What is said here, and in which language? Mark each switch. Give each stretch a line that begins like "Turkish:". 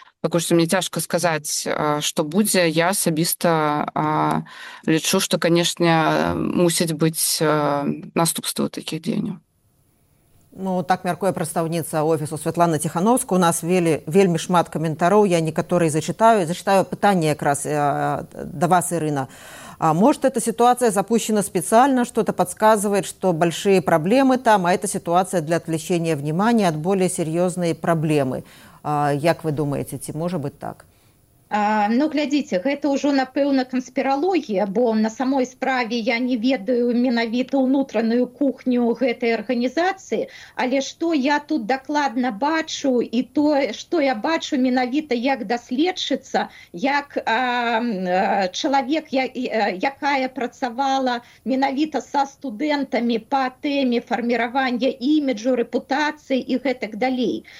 Belarusian: Пакуль што мне цяжка сказаць, што будзе. Я асабіста лічу, што, канешне, мусіць быць наступствы такіх дзеянняў. Ну, так мяркуе прадстаўніца офісу Святлана Ціхановска. У нас вельмі шмат каментароў, я некаторыя зачытаю. Зачытаю пытанне якраз да вас, Ірына.
Russian: А может, эта ситуация запущена специально, что-то подсказывает, что большие проблемы там, а эта ситуация для отвлечения внимания от более серьезной проблемы.
Belarusian: А, як вы думаете, ці
Russian: может быть
Belarusian: так? Ну, глядзіце, гэта ўжо напэўна канспіралогія, бо на самой справе я не ведаю менавіта ўнутраную кухню гэтай арганізацыі, але што я тут дакладна бачу і то, што я бачу менавіта як даследчыца, як чалавек, якая працавала менавіта са студэнтамі па тэме фарміравання іміджу, рэпутацыі і гэтак далей.